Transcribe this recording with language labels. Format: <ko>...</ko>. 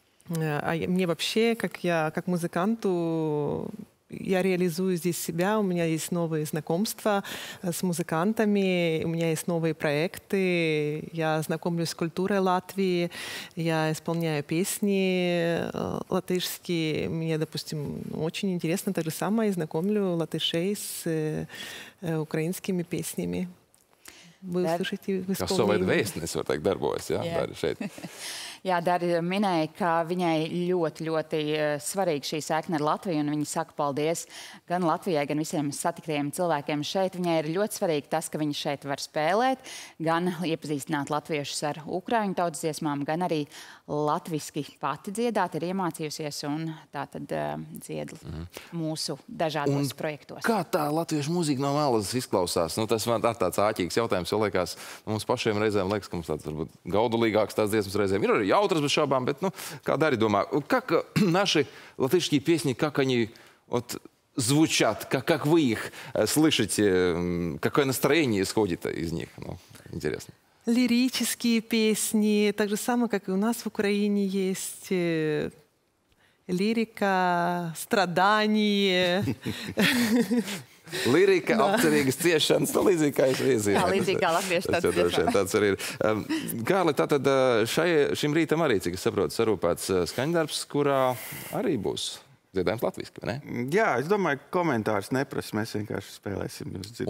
<ru>А мне вообще, как музыканту, я реализую здесь себя, у меня есть новые знакомства с музыкантами, у меня есть новые проекты, я знакомлюсь с культурой Латвии, я исполняю песни латышские, мне, допустим, очень интересно то же самое, я знакомлю латышей с украинскими песнями. Вы услышите в исполнении.</ru> <lv>Jā, Dari minēja, ka viņai ļoti, ļoti svarīga šī sakne ar Latviju, un viņa saka paldies gan Latvijai, gan visiem satiktajiem cilvēkiem šeit. Viņai ir ļoti svarīgi tas, ka viņa šeit var spēlēt, gan iepazīstināt latviešus ar ukraiņu tautas dziesmām, gan arī latviski pati dziedāt, ir iemācījusies un tātad dzied mūsu dažādos projektos. Kā tā latviešu mūzika no malas izklausās? Nu, tas man ir tāds āķīgs jautājums, jo liekas, mums pašiem reizēm liekas, ka mums tāds varbūt gaudulīgāks tās dziesmas reizēm ir arī jautras bez šaubām, bet, nu, kā Dari domā,</lv> <ru>kak naši latviški piesni, kak oni от звучат, как вы их слышите, какое настроение исходит из них? Ну, интересно. Лирические песни, так же самое, как и у нас в Украине есть лирика, страдание.</ru> <lv>Lirika, apcerīgas ciešanas, tā līdzīgi kā es iezīmēju. Jā, līdzīgi kā latviešu tāds ciešanas. Tāds, tāds arī ir. Kārli, tātad šim rītam arī, cik es saprotu, sarūpēts skaņdarbs, kurā arī būs dziedājums latviski, vai ne? Jā, es domāju, komentārs nepras, mēs vienkārši spēlēsim jūs dzirdēt.</lv>